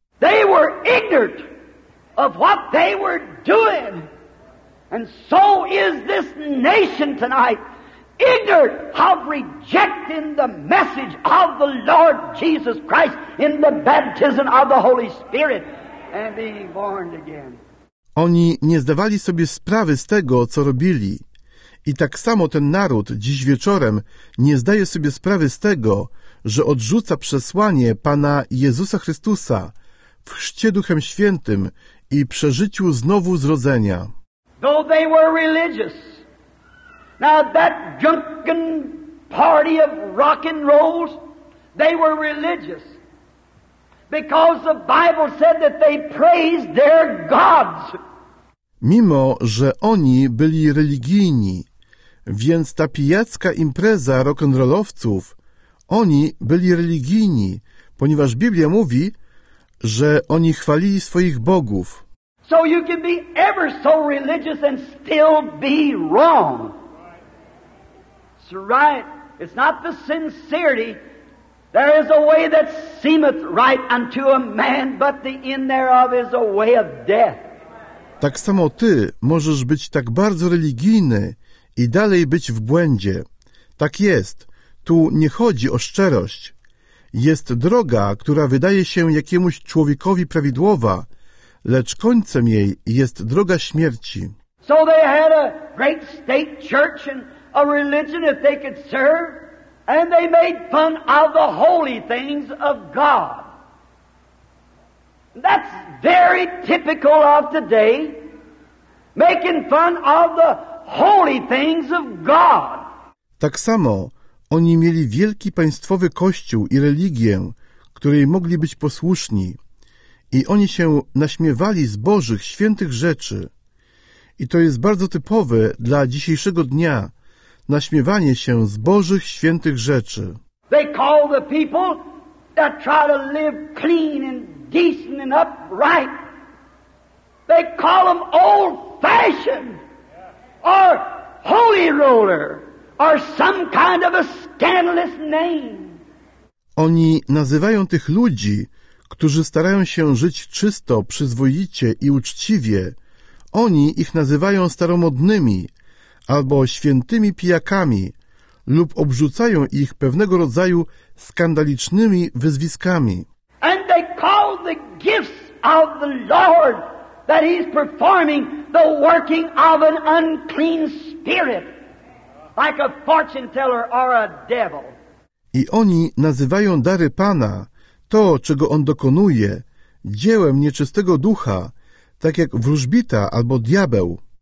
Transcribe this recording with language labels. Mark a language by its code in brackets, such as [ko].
[en] They were ignorant of what they were doing. And so is this nation tonight ignorant of rejecting the message of the Lord Jesus Christ in the baptism of the Holy Spirit and being born again. [pl] Oni nie zdawali sobie sprawy z tego, co robili. I tak samo ten naród dziś wieczorem nie zdaje sobie sprawy z tego, że odrzuca przesłanie Pana Jezusa Chrystusa w chrzcie Duchem Świętym i przeżyciu znowu zrodzenia. [en] Though they were religious, now that drunken party of rock and rolls, they were religious. Because the Bible said that they praised their gods. [pl] Mimo że oni byli religijni, więc ta pijacka impreza rock'n'rollowców, oni byli religijni, ponieważ Biblia mówi, że oni chwalili swoich bogów. [en] So you can be ever so religious and still be wrong. It's right. It's not the sincerity. There is a way that seemeth right unto a man, but the end thereof is a way of death. [pl] Tak samo ty możesz być tak bardzo religijny i dalej być w błędzie. Tak jest, tu nie chodzi o szczerość. Jest droga, która wydaje się jakiemuś człowiekowi prawidłowa, lecz końcem jej jest droga śmierci. [en] So they had a great state church and a religion that they could serve. And they made fun of the holy things of God. That's very typical of today, making fun of the holy things of God. [pl] Tak samo oni mieli wielki państwowy kościół i religię, której mogli być posłuszni. I oni się naśmiewali z Bożych, świętych rzeczy. I to jest bardzo typowe dla dzisiejszego dnia. Naśmiewanie się z Bożych świętych rzeczy. [en] They call the people that try to live clean and decent and upright. They call them old fashioned or holy roller or some kind of a scandalous name. [pl] Oni nazywają tych ludzi, którzy starają się żyć czysto, przyzwoicie i uczciwie. Oni ich nazywają staromodnymi albo świętymi pijakami, lub obrzucają ich pewnego rodzaju skandalicznymi wyzwiskami. [en] And they call the gifts of the Lord that he's performing the working of an unclean spirit, like a fortune teller or a devil. [pl] I oni nazywają dary Pana, to, czego on dokonuje, dziełem nieczystego ducha, tak jak wróżbita albo diabeł.